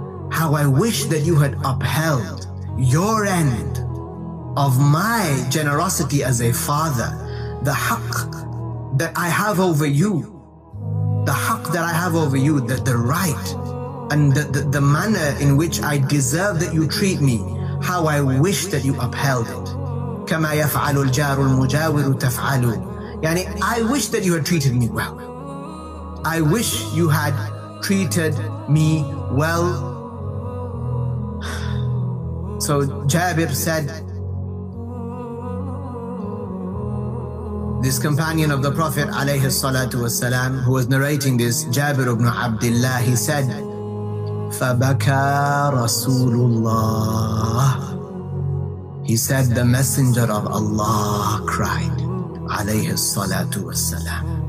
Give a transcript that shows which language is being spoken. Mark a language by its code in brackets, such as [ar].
[en] How I wish that you had upheld your end of my generosity as a father, the haqq that I have over you, the right and the manner in which I deserve that you treat me, how I wish that you upheld it. [ar] كما يفعل الجار المجاور تفعل. [en] يعني, I wish that you had treated me well. I wish you had treated me well. So Jabir said, this companion of the Prophet alayhi salatu wasalam, who was narrating this, Jabir ibn Abdullah, he said, [ar] فَبَكَى رَسُولُ اللَّهِ, [en] he said, the messenger of Allah cried, alayhi salatu wasalam.